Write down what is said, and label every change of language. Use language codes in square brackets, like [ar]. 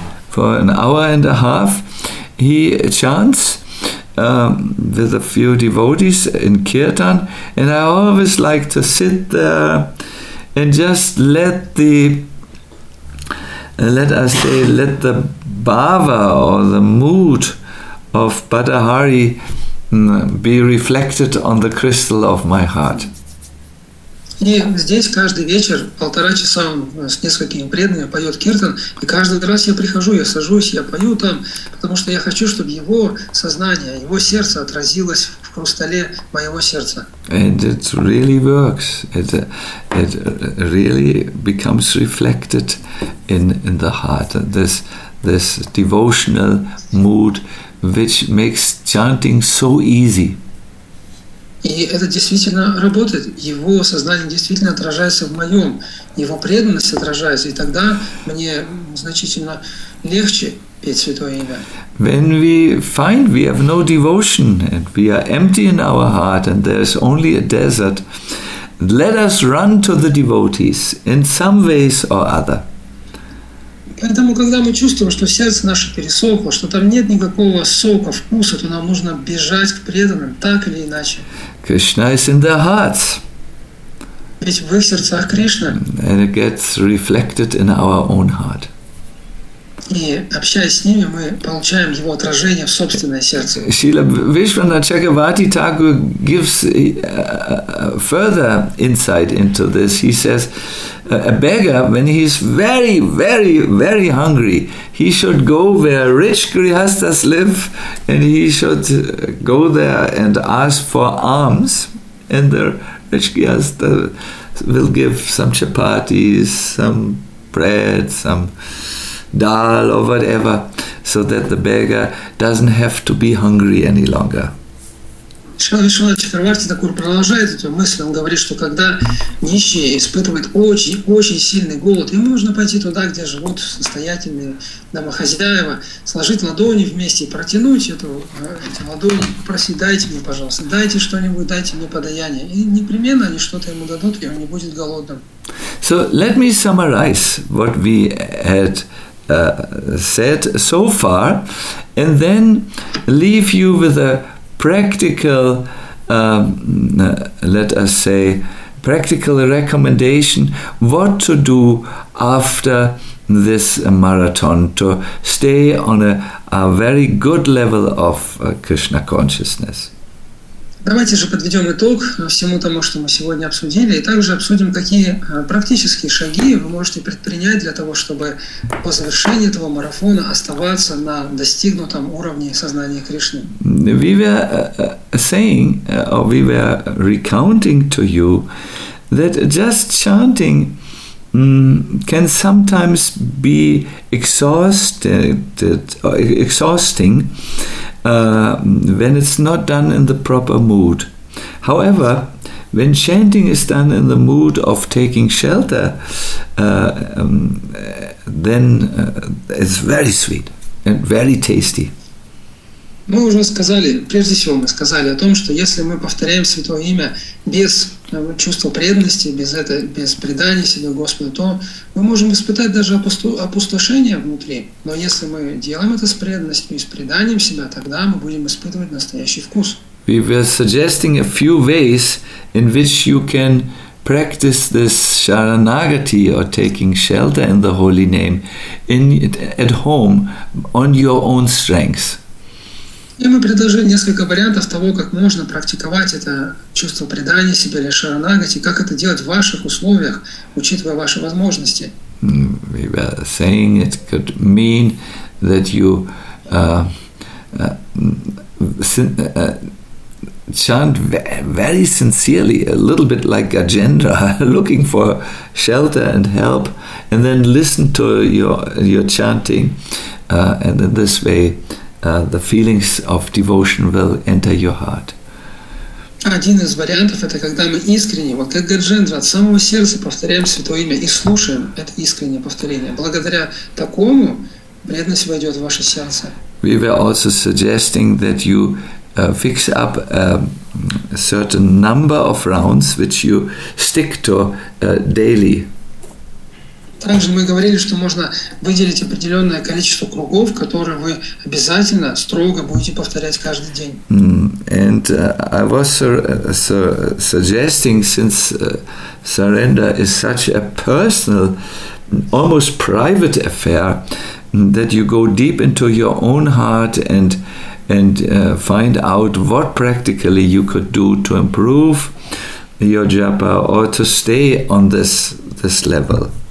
[en] For an hour and a half, he chants with a few devotees in kirtan, and I always like to sit there and just let the bhava or the mood of Badahari be reflected on the crystal of my heart. [ru] И здесь каждый вечер полтора часа с несколькими преданными поет киртан, и каждый раз я прихожу, я сажусь, я пою там, потому что я хочу, чтобы его сознание, его сердце отразилось в хрустале моего сердца. [en] And it really works. It really becomes reflected in the heart. This devotional mood, which makes chanting so easy. [ru] И это действительно работает. Его сознание действительно отражается в моем, его преданность отражается, и тогда мне значительно легче петь святое имя. [en] When we find we have no devotion and we are empty in our heart and there is only a desert, let us run to the devotees in some ways or other. [ru] Поэтому, когда мы чувствуем, что сердце наше пересохло, что там нет никакого сока, вкуса, то нам нужно бежать к преданным, так или иначе. [en] Krishna is in the hearts. [ru] Ведь в их сердцах Кришна. [en] And it gets reflected in our own heart. [ru] И общаясь с ними, мы получаем его отражение в собственное сердце. [en] Srila Vishwanatha Chakravarti Thakur gives further insight into this. He says, a beggar, when he is very, very, very hungry, he should go where rich grihasthas live, and he should go there and ask for alms, and the rich grihasthas will give some chapatis, some bread, some dal or whatever, so that the beggar doesn't have to be hungry any longer. [ru] Шрила Вишванатха Чакраварти Такур продолжает эту мысль. Он говорит, что когда нищий испытывает очень-очень сильный голод, ему нужно пойти туда, где живут состоятельные домохозяева, сложить ладони вместе и протянуть эти ладони, попросить: дайте мне, пожалуйста, дайте что-нибудь, дайте мне подаяние. И непременно они что-то ему дадут, и он не будет голодным. [en] So let me summarize what we had said so far, and then leave you with a practical, practical recommendation: what to do after this marathon to stay on a very good level of Krishna consciousness. [ru] Давайте же подведем итог всему тому, что мы сегодня обсудили, и также обсудим, какие практические шаги вы можете предпринять для того, чтобы по завершении этого марафона оставаться на достигнутом уровне сознания Кришны. [en] We were saying, or we were recounting to you, that just chanting can sometimes be exhausting. When it's not done in the proper mood. However, when chanting is done in the mood of taking shelter, then it's very sweet and very tasty. [ru] Мы уже сказали, прежде всего мы сказали о том, что если мы повторяем святое имя без чувство преданности, без предания себе Господу, то мы можем испытать даже опустошение внутри. Но если мы делаем это с преданностью и с преданием себя, тогда мы будем испытывать настоящий вкус. [en] We were suggesting a few ways in which you can practice this sharanagati or taking shelter in the holy name in at home on your own strength. [ru] И мы предложили несколько вариантов того, как можно практиковать это чувство предания себе или шаранагати, как это делать в ваших условиях, учитывая ваши возможности. [en] We were saying it could mean that you chant very sincerely, a little bit like Gajendra, looking for shelter and help, and then listen to your chanting, and in this way the feelings of devotion will enter your heart. [ru] Один из вариантов — это когда мы искренне, вот как Гаджендра, от самого сердца повторяем святое имя и слушаем это искреннее повторение. Благодаря такому преданность войдет в ваше сердце. [en] We were also suggesting that you fix up a certain number of rounds which you stick to daily. [ru] Также мы говорили, что можно выделить определенное количество кругов, которые вы обязательно строго будете повторять каждый день. [en] And I was suggesting, since surrender is such a personal, almost private affair, that you go deep into your own heart and find out what practically you could do to improve your japa or to stay on this level.